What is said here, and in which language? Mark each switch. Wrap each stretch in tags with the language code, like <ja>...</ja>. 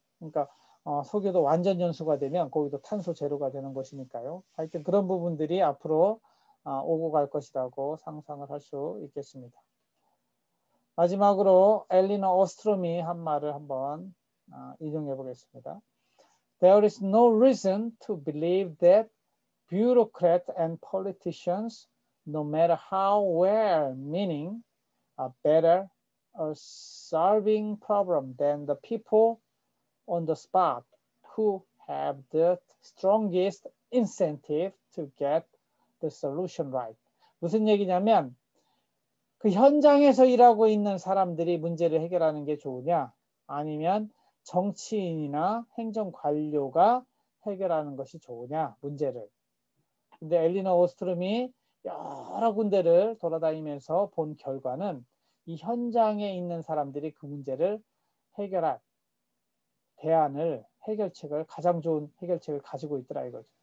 <ko>그러니까 석유도 완전 연소가 되면 거기도 탄소 제로가 되는 것이니까요. 하여튼 그런 부분들이 앞으로 오고 갈 것이라고 상상을 할 수 있겠습니다. 마지막으로 엘리너 오스트롬이 한 말을 한번 인용해 보겠습니다.</ko> <en>There is no reason to believe that bureaucrats and politicians, no matter how well-meaning, are better at solving problems than the people on the spot who have the strongest incentive to get the solution right.</en> <ko>무슨 얘기냐면 그 현장에서 일하고 있는 사람들이 문제를 해결하는 게 좋으냐 아니면 정치인이나 행정관료가 해결하는 것이 좋으냐 문제를. 근데 엘리너 오스트롬이 여러 군데를 돌아다니면서 본 결과는 이 현장에 있는 사람들이 그 문제를 해결할 대안을 해결책을 가장 좋은 해결책을 가지고 있더라 이거죠.</ko>